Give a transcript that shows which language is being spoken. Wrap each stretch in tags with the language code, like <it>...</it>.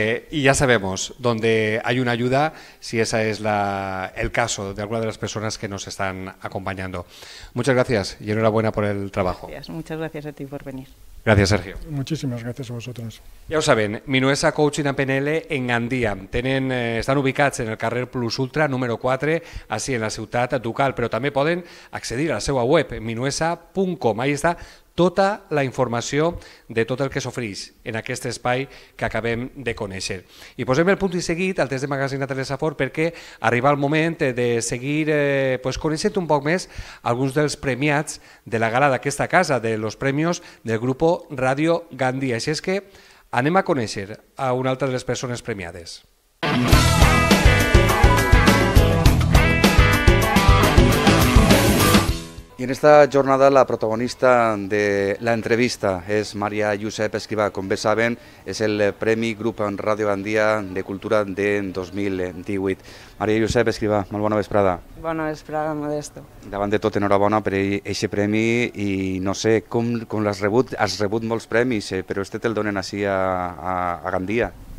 <es>Y ya sabemos, donde hay una ayuda, si esa es el caso de alguna de las personas que nos están acompañando. Muchas gracias y enhorabuena por el trabajo. Gracias, muchas gracias a ti por venir. Gracias, Sergio. Muchísimas gracias a vosotros. Ya lo saben, Minuesa Coaching en PNL en Gandía. Están</es> <ca>ubicats en el carrer Plus Ultra, número 4, así en la ciutat ducal, però també poden accedir a la seva web, minuesa.com.</ca> <es>Ahí está</es> <ca>tota la informació de tot el que s'ofereix en aquest espai que acabem de conèixer. I posem el punt i seguit al test de Magazine Telesafor perquè arriba el moment de seguir coneixent un poc més alguns dels premiats de la gala d'aquesta casa,</ca> <es>de los premios del grupo Radio Gandía.</es> <ca>Així és que anem a conèixer a una altra de les persones premiades.</ca> <es>Y en esta jornada la protagonista de la entrevista es María Josep Escrivá.</es> <ca>Com bé saben, és el Premi Grup en Ràdio Gandia de Cultura de 2018. María Josep Escrivá, molt bona vesprada. Bona vesprada, Modesto. Davant de tot, enhorabona per aquest premi i no sé com l'has rebut. Has rebut molts premis, però este te'l donen així a Gandia.</ca>